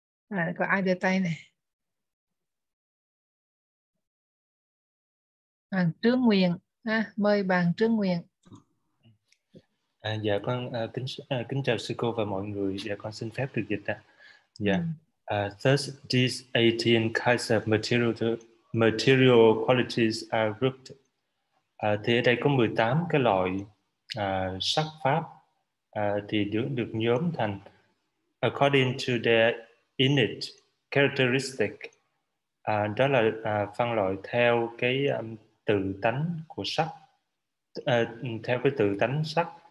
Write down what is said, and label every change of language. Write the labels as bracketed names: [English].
[Vietnamese] Có ai đưa tay này? Bạn Trương Nguyên, mời bạn Trương Nguyên. Dạ con kính chào sư cô và mọi người. Dạ con xin phép được dịch ạ. Dạ. [English] Thus these 18 kinds of material qualities are grouped. [Vietnamese] Thì ở đây có 18 cái loại sắc pháp thì được nhóm thành [English] according to their innate characteristic. [Vietnamese] Đó là phân loại theo cái tự tánh của sắc, theo cái tự tánh sắc.